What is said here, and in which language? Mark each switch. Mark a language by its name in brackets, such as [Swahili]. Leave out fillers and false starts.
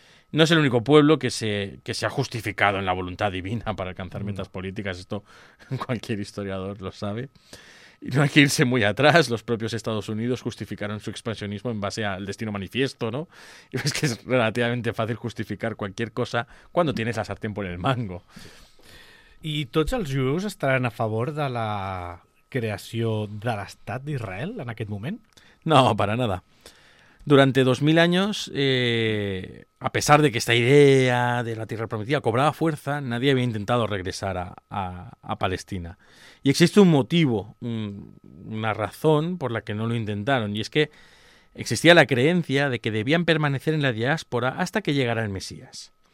[Spanish] No es el único pueblo que se ha justificado en la voluntad divina para alcanzar metas políticas. Esto cualquier historiador lo sabe. Y no hay que irse muy atrás. Los propios Estados Unidos justificaron su expansionismo en base al destino manifiesto, ¿no? Y es que es relativamente fácil justificar cualquier cosa cuando tienes la sartén por el mango. [Catalan] ¿Y tots els jueus estaran a favor de la creació de l'estat d'Israel en aquest moment? [Spanish] No, para nada. Durante 2000 años, a pesar de que esta idea de la tierra prometida cobraba fuerza, nadie había intentado regresar a Palestina. Y existe un motivo, una razón por la que no lo intentaron, y es que existía la creencia de que debían permanecer en la diáspora hasta que llegara el Mesías.